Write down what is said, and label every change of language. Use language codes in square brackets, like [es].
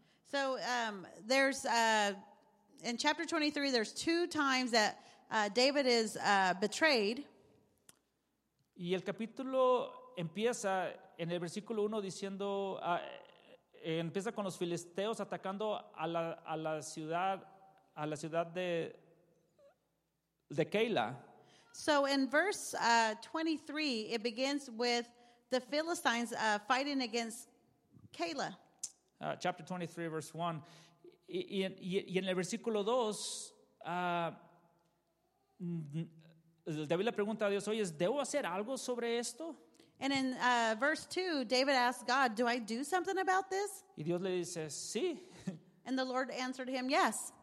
[en] So there's in chapter 23 there's two times that David is betrayed. [es] Y el capítulo empieza en el versículo 1 diciendo empieza con los filisteos atacando a la ciudad de Keila. [en] So in verse 23 it begins with the Philistines fighting against Keila. Chapter 23 verse 1 [es] y en el versículo 2 David le pregunta a Dios, oye, ¿debo hacer algo sobre esto? [en] And in verse 2, David asked God, do I do something about this? [es] Y Dios le dice, sí. [en] And the Lord answered him, yes.